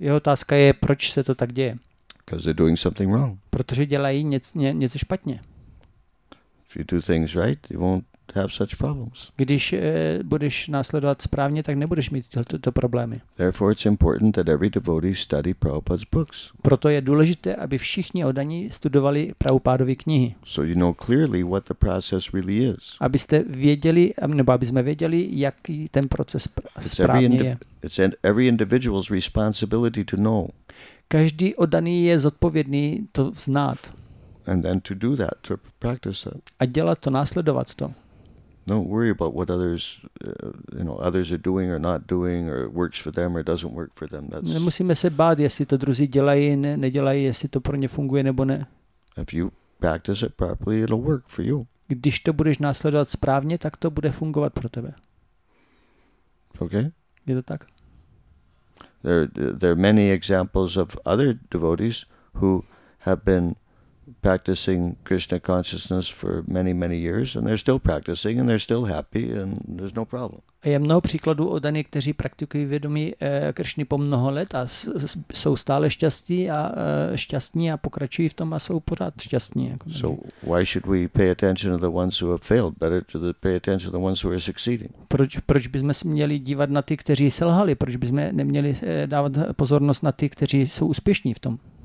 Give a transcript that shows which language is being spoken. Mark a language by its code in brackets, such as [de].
[cs] Jeho otázka je, proč se to tak děje? [en] Because they're doing something wrong. [cs] Protože dělají něco špatně. [en] If you do things right, you won't have such problems. [cs] Když budeš následovat správně, tak nebudeš mít tyto problémy. [en] Therefore it's important that every devotee study Prabhupada's books. [cs] Proto je důležité, aby všichni oddaní studovali Prabhupádovy knihy. [en] So you know clearly what the process really is. [cs] Abyste věděli, nebo aby jsme věděli, jaký ten proces správně je. [en] It's every individual's responsibility to know. [cs] každý oddaný je zodpovědný to znát. [en] And then to do that, to practice that. [cs] A dělat to, následovat to. [en] Don't worry about what others, you know, others are doing or not doing, or works for them or doesn't work for them. That's. [cs] Nemusíme se bát, jestli to druzí dělají, nedělají, jestli to pro ně funguje nebo ne. [en] If you practice it properly, it'll work for you. [cs] Když to budeš následovat správně, tak to bude fungovat pro tebe. [en] Okay. [cs] Je to tak? [en] There are many examples of other devotees who have been practicing Krishna consciousness for many, many years, and they're still practicing, and they're still happy, and there's no problem. [cs] Je mnoho příkladů oddaní, kteří praktikují vědomí Kršny po mnoho let a jsou stále šťastní a pokračují v tom a jsou pořád šťastní. Jako [en] so why should we pay attention to the ones who have failed? Better to the pay attention to the ones who are succeeding. [cs] Proč bychom se měli dívat na ty, kteří selhali? Proč bychom neměli dávat pozornost na ty, kteří jsou úspěšní v tom?